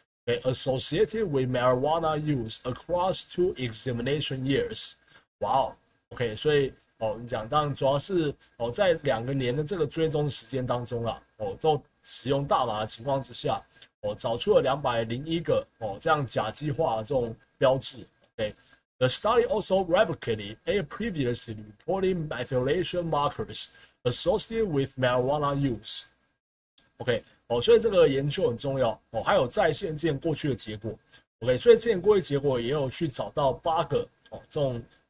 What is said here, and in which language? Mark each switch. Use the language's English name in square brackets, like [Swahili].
[English] Okay，associated with marijuana use across two examination years. [Chinese] 哇哦，OK，所以。你讲，当然主要是在2年的这个追踪时间当中啦，都使用大麻的情况之下，找出了201个这样甲基化的这种标志。 [English] OK，The study also replicated a previously reported methylation markers associated with marijuana use. [Chinese] OK，所以这个研究很重要还有再现这过去的结果。 OK，所以这过去结果也有去找到8个这种。